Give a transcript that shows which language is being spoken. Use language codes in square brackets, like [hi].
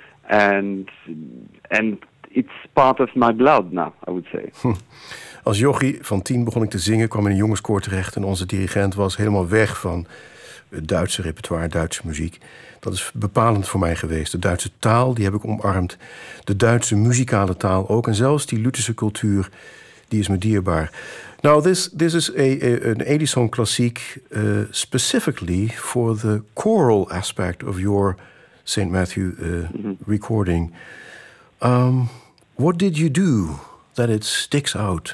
[en] And it's part of my blood now, I would say. [nl] Als jochie van 10 begon ik te zingen, kwam in een jongenskoor terecht. En onze dirigent was helemaal weg van het Duitse repertoire, Duitse muziek. Dat is bepalend voor mij geweest. De Duitse taal, die heb ik omarmd. De Duitse muzikale taal ook. En zelfs die Lutherse cultuur, die is me dierbaar. [en] Now, this is an Edison Klassiek specifically for the choral aspect of your St. Matthew recording. What did you do that it sticks out?